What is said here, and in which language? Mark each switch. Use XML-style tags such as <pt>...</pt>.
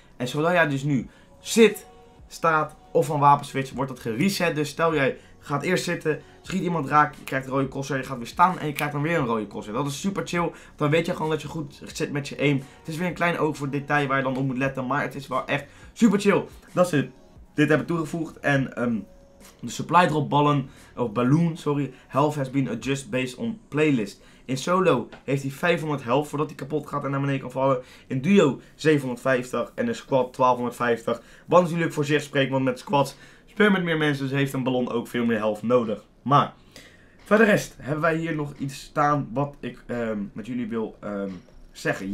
<nl>En zodra jij dus nu zit, staat of van wapen switcht, wordt dat gereset. Dus stel jij gaat eerst zitten, schiet iemand raak, je krijgt een rode crosshair, je gaat weer staan en je krijgt dan weer een rode crosshair. Dat is super chill, dan weet je gewoon dat je goed zit met je aim. Het is weer een klein oog voor detail waar je dan op moet letten, maar het is wel echt super chill dat ze dit hebben toegevoegd. En de</nl> <en>supply drop</en> <nl>ballen, of</nl> <en>balloon, sorry, health has been adjusted based on playlist.</en> <nl>In solo heeft hij 500 health voordat hij kapot gaat en naar beneden kan vallen. In duo 750 en in squad 1250. Wat natuurlijk voor zich spreekt, want met squads speel met meer mensen, dus heeft een ballon ook veel meer health nodig. Maar, verder rest, hebben wij hier nog iets staan wat ik met jullie wil zeggen?</nl>